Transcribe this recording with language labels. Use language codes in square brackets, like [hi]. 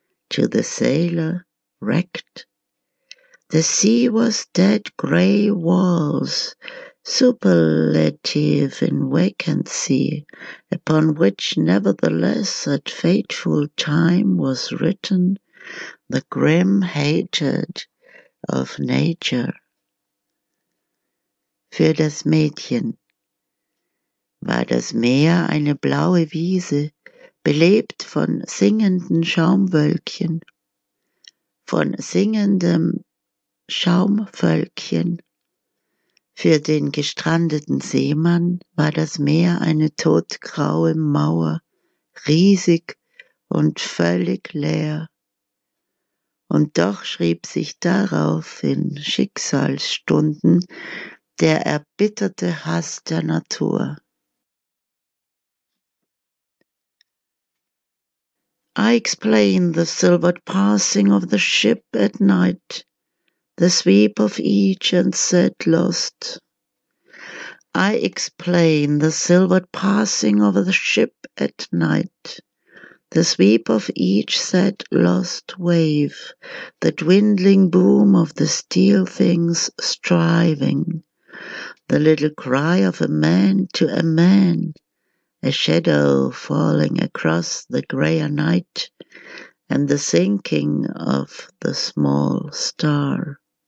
[en] To the sailor, wrecked, the sea was dead gray walls, superlative in vacancy, upon which nevertheless at fateful time was written the grim hatred of nature. [de] Für das Mädchen war das Meer eine blaue Wiese, belebt von singenden Schaumwölkchen, von singendem Schaumvölkchen. Für den gestrandeten Seemann war das Meer eine todgraue Mauer, riesig und völlig leer. Und doch schrieb sich darauf in Schicksalsstunden der erbitterte Hass der Natur. [en] I explain the silvered passing of the ship at night, the sweep of each and said lost. I explain the silvered passing of the ship at night, the sweep of each said lost wave, the dwindling boom of the steel things striving, the little cry of a man to a man, a shadow falling across the grayer night, and the sinking of the small star.